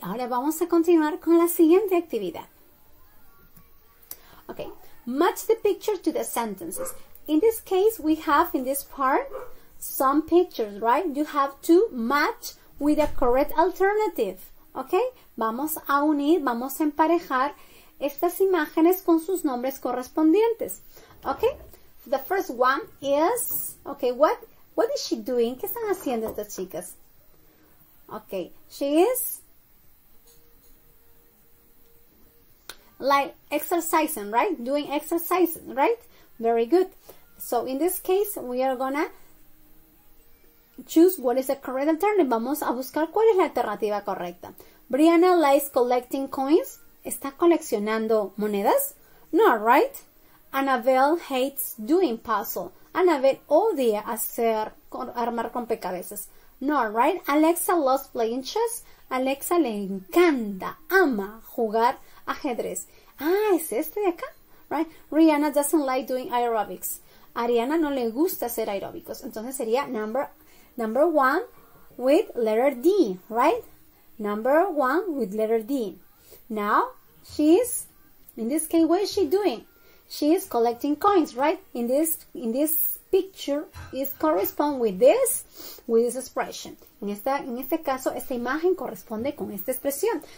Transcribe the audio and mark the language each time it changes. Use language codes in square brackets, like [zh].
[es] Ahora vamos a continuar con la siguiente actividad. [en] Okay, match the picture to the sentences. In this case, we have in this part some pictures, right? You have to match with the correct alternative. [es] Okay, vamos a unir, vamos a emparejar estas imágenes con sus nombres correspondientes. [en] Okay, the first one is, okay, what is she doing? [es] ¿Qué están haciendo estas chicas? [en] Okay, she is like exercising, right? Doing exercises, right? Very good. So in this case, we are gonna choose what is the correct alternative. [es] Vamos a buscar cuál es la alternativa correcta. [en] Brianna likes collecting coins. [es] ¿Está coleccionando monedas? [en] No, right? Annabelle hates doing puzzles. [es] Annabelle odia hacer, armar rompecabezas. [en] No, right? Alexa loves playing chess. [es] Alexa le encanta, ama jugar ajedrez. [en] Ah, [es] ¿es este de acá? [en] Right? Rihanna doesn't like doing aerobics. [es] Ariana no le gusta hacer aeróbicos. Entonces sería [en] number one with letter D, right? Number one with letter D. Now, she's, in this case, what is she doing? She is collecting coins, right? In this picture, it corresponds with this expression. [es] En este caso, esta imagen corresponde con esta expresión.